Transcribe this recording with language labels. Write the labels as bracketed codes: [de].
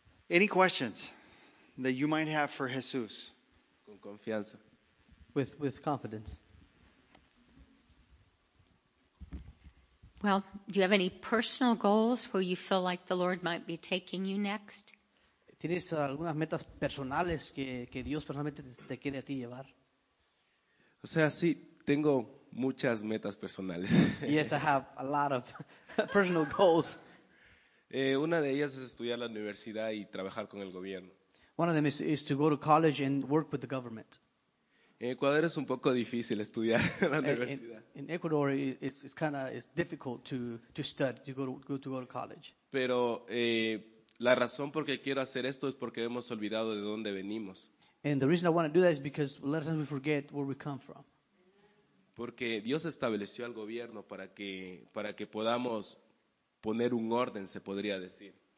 [en] Any questions that you might have for Jesus? [es] Con confianza. [en] With confidence. Well, do you have any personal goals where you feel like the Lord might be taking you next? [es] ¿Tienes algunas metas personales que Dios personalmente te quiere a ti llevar? O sea, sí, tengo muchas metas personales. [en] Yes, I have a lot of personal goals. [es] Una de ellas es estudiar la universidad y trabajar con el gobierno. [en] One of them is to go to college and work with the government. [es] En Ecuador es un poco difícil estudiar la universidad. [en] In Ecuador, it's difficult to study, to go to college. [es] Pero la razón por qué quiero hacer esto es porque hemos olvidado de dónde venimos. [en] And the reason I want to do that is because a lot of times we forget where we come from. [es] Porque Dios estableció al gobierno para que podamos poner un orden, se podría decir.